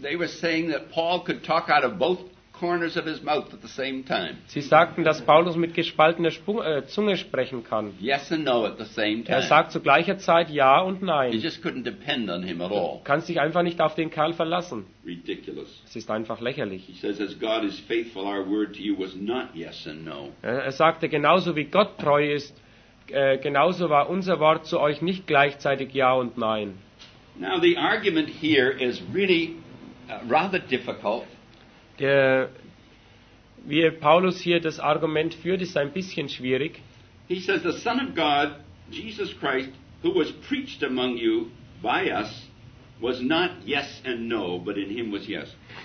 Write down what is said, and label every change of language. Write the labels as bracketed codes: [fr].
[en] They were saying that Paul could talk out of both corners of his mouth at the same time. [de] Sie sagten, dass Paulus mit gespaltener Zunge sprechen kann. [en] Yes and no at the same time. [de] Er sagt zu gleicher Zeit ja und nein. [en] You just couldn't depend on him at all. [de] Kannst dich einfach nicht auf den Kerl verlassen. [en] Ridiculous. [de] Es ist einfach lächerlich. [en] He says, as God is faithful, our word to you was not yes and no. [de] Er sagte, genauso wie Gott treu ist, genauso war unser Wort zu euch nicht gleichzeitig ja und nein. [en] Now the argument here is really rather difficult. [de] Wie Paulus hier das Argument führt, ist ein bisschen schwierig. [en] He says, the Son of God, Jesus Christ, who was preached among you by us, was not yes and no, but in him was yes.